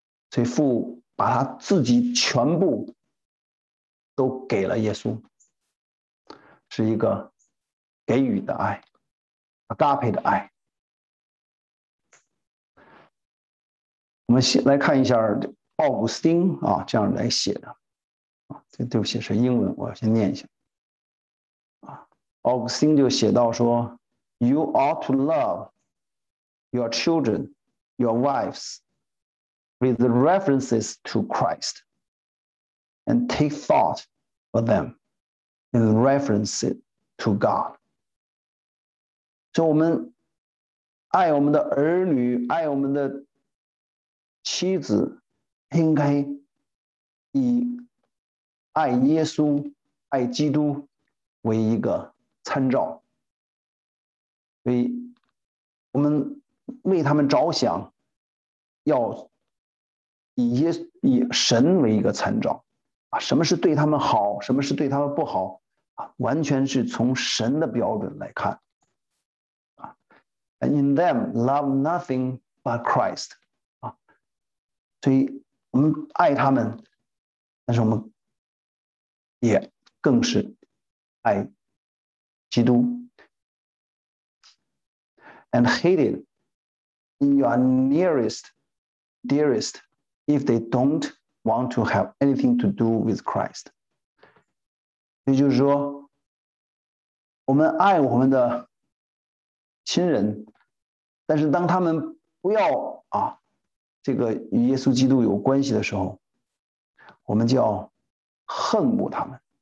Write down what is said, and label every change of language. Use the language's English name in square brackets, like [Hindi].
[Chinese] 所以父把他自己全部都给了耶稣，是一个给予的爱，agape的爱。我们先来看一下奥古斯丁啊这样来写的。啊，对不起，是英文，我先念一下。奥古斯丁就写到说 [English] ：“You ought to love your children, your wives, with references to Christ, and take thought for them with references to God。” [Chinese] 就我们爱我们的儿女，爱我们的妻子，应该以爱耶稣、爱基督为一个参照，所以我们为他们着想，要以神为一个参照啊，什么是对他们好，什么是对他们不好啊，完全是从神的标准来看啊。 [English] And in them love nothing but Christ [Chinese] 啊，所以我们爱他们，但是我们也更是爱基督。 [English] And hate it in your nearest, dearest, if they don't want to have anything to do with Christ。 [Chinese] 也就是说，我们爱我们的亲人，但是当他们不要啊这个与耶稣基督有关系的时候，我们就要恨恶他们。